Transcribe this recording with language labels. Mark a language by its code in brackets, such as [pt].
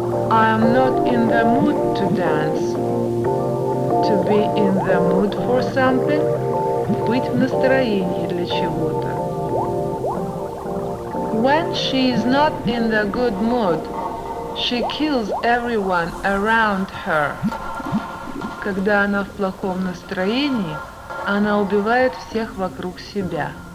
[en] I am not in the mood to dance. To be in the mood for something? [ru] Быть в настроении для чего-то. [en] When she is not in the good mood, she kills everyone around her. [ru] Когда она в плохом настроении, она убивает всех вокруг себя.